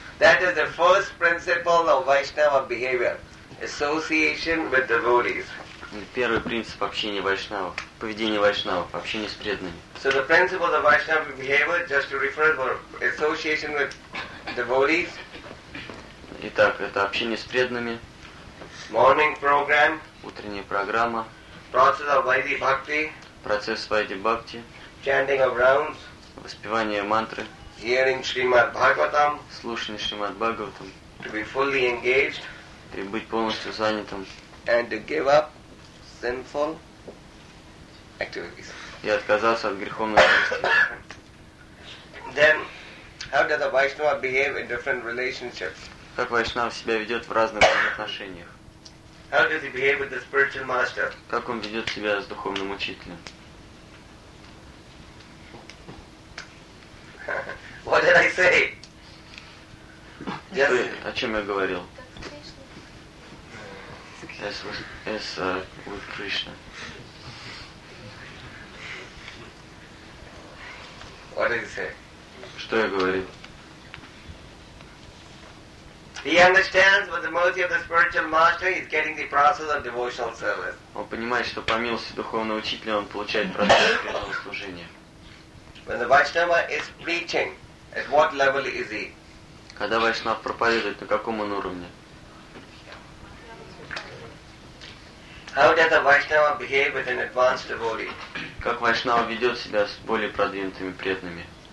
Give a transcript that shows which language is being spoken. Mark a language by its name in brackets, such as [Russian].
[English] That is the first principle of Vaishnava behavior. Association with devotees. [Russian] Первый принцип общения вайшнавов, поведение вайшнавов, общение с преданными. [English] So the principle of Vaishnava behavior, just to refer to association with devotees. [Russian] Итак, это общение с преданными. [English] Morning program. [Russian] Утренняя программа. [English] Process of Vaidhi Bhakti. [Russian] Процесс Вайди Бхакти. [English] Chanting of rounds. [Russian] Воспевание мантры. [English] Hearing Shrimad Bhagavatam. [Russian] Слушание Шримад Бхагаватам. [English] To be fully engaged. [Russian] И быть полностью занятым. [English] And to give up sinful activities. [Russian] И отказаться от греховных действий. [English] Then, how does a Vaishnava behave in different relationships? [Russian] Как Вайшнав себя ведет в разных отношениях? [English] How does he behave with the spiritual master? [Russian] Как он ведет себя с духовным учителем? [English] What did I say? Yes. [Russian] О чем я говорил? [English] As with Krishna. What did he say? [Russian] Что я говорил? [English] He understands with the mercy of the spiritual master, he's getting the process of devotional service. [Russian] Он понимает, что по милости духовного учителя он получает процесс преданного служения. [English] When the Vaishnava is preaching, at what level is he? [Russian] Когда Вайшнав проповедует, на каком он уровне? [English] How does a Vaishnava behave with an advanced devotee? [Russian] Как Вайшнава ведет себя с более продвинутыми преданными?